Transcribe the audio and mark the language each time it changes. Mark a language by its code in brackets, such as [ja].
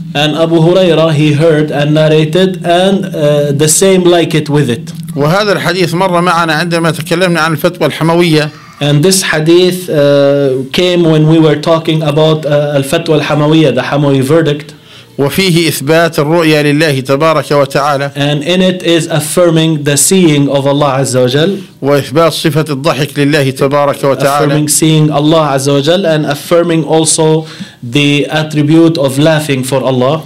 [en] And Abu Huraira he heard and narrated and the same like it with it. [ar] وهذا الحديث مر معنا عندما تكلمنا عن الفتوى الحموية. [en] And this hadith came when we were talking about الفتوى الحموية, the Hamawi verdict. [ar] وفيه إثبات الرؤية لله تبارك وتعالى. [en] And in it is affirming the seeing of Allah [ar] عز وجل. وإثبات صفة الضحك لله تبارك وتعالى. [en] Affirming seeing Allah [ar] عز وجل [en] and affirming also the attribute of laughing for Allah.